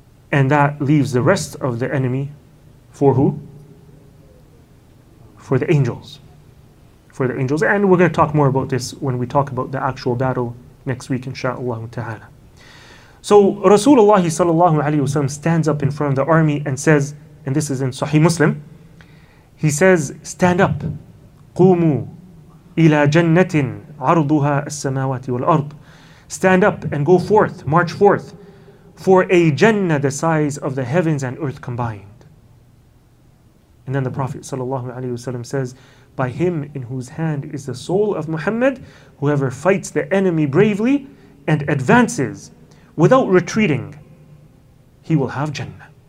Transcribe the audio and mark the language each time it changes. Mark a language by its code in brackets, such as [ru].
[en] And that leaves the rest of the enemy for who? For the angels. For the angels. And we're going to talk more about this when we talk about the actual battle next week, insha'Allah ta'ala. So Rasulullah sallallahu alayhi wasallam stands up in front of the army and says, and this is in Sahih Muslim, he says, stand up. [ar] قوموا إلى جنة عرضها السماوات والأرض. [en] Stand up and go forth, march forth, for a Jannah the size of the heavens and earth combined. And then the Prophet sallallahu alayhi wasallam says, by him in whose hand is the soul of Muhammad, whoever fights the enemy bravely and advances without retreating, he will have Jannah.